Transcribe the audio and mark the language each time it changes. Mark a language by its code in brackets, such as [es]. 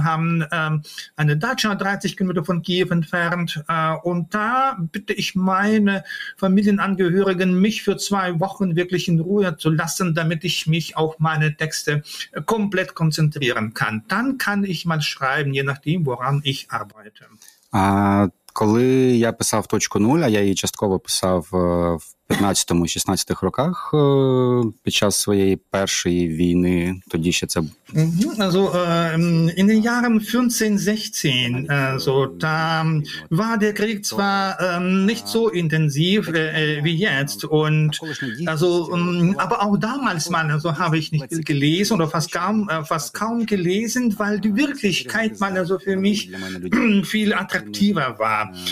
[de] Wir haben eine Datscha 30 Kilometer von Kiew entfernt, und da bitte ich meine Familienangehörigen, mich für zwei Wochen wirklich in Ruhe zu lassen, damit ich mich auf meine Texte komplett konzentrieren kann. Dann kann ich mal schreiben, je nachdem, woran ich arbeite. [uk] Коли я писав точку нуль, а я її частково писав в 15-16 роках під час своєї першої війни, тоді ще це. [de] Also in den Jahren 15-16, also da war der Krieg zwar nicht so intensiv wie jetzt, und also aber auch damals mal also habe ich nicht gelesen oder fast kaum gelesen, weil die Wirklichkeit mal also für mich viel attraktiver war.